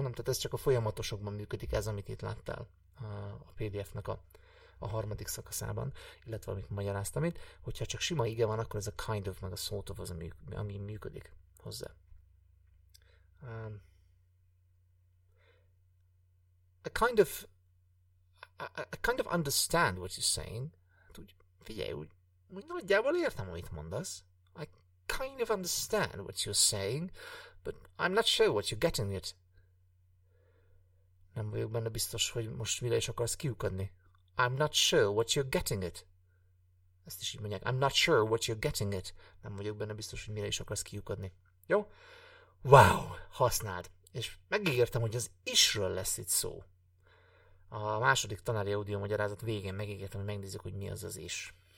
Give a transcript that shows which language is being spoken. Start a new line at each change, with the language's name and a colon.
Hungarian: Nem, tehát ez csak a folyamatosokban működik, ez, amit itt láttál a PDF-nek a harmadik szakaszában, illetve amit magyaráztam itt, hogyha csak sima ige van, akkor ez a kind of, meg a sort of az, ami működik hozzá.
English: I kind of understand what you're saying.
Hungarian: Úgy, figyelj, úgy nagyjából értem, amit mondasz.
English: I kind of understand what you're saying, but I'm not sure what you're getting at.
Hungarian: Nem vagyok benne biztos, hogy most mire is akarsz kiukadni.
English: I'm not sure what you're getting at.
Hungarian: Ezt is így mondják.
English: I'm not sure what you're getting at.
Hungarian: Nem vagyok benne biztos, hogy mire is akarsz kiukadni. Jó? Wow! Használd! És megígértem, hogy az isről lesz itt szó. A második tanári audio magyarázat végén megígértem, hogy megnézzük, hogy mi az az is.